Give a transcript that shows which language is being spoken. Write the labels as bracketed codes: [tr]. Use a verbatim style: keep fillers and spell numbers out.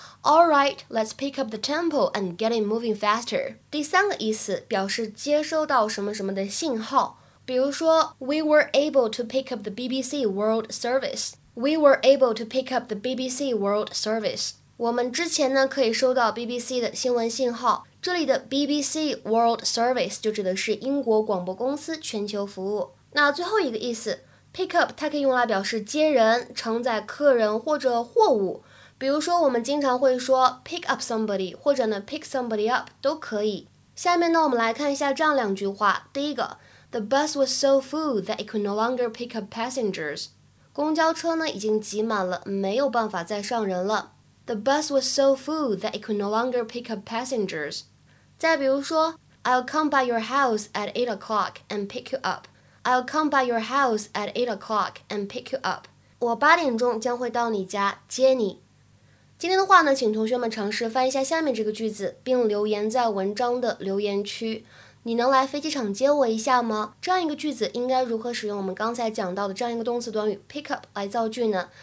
[en] All right, let's pick up the tempo and get it moving faster。 [zh] 第三个意思表示接收到什么什么的信号，比如说 [en] We were able to pick up the B B C World Service， [zh] We were able to pick up the B B C World Service， 我们之前呢可以收到 B B C 的新闻信号。这里的 B B C World Service 就指的是英国广播公司全球服务。那最后一个意思 pick up 它可以用来表示接人，承载客人或者货物，比如说我们经常会说 pick up somebody 或者呢 pick somebody up 都可以。下面呢我们来看一下这样两句话。第一个 [en] The bus was so full that it could no longer pick up passengers. [zh] 公交车呢已经挤满了，没有办法再上人了。 [en] The bus was so full that it could no longer pick up passengers. [zh] 再比如说 [en] I'll come by your house at eight o'clock and pick you up. I'll come by your house at eight o'clock and pick you up. [zh] 我八点钟将会到你家接你。今天的话呢，请同学们尝试翻译一下下面这个句子，并留言在文章的留言区。你能来飞机场接我一下吗？这样一个句子应该如何使用我们刚才讲到的这样一个动词短语 pick up 来造句呢？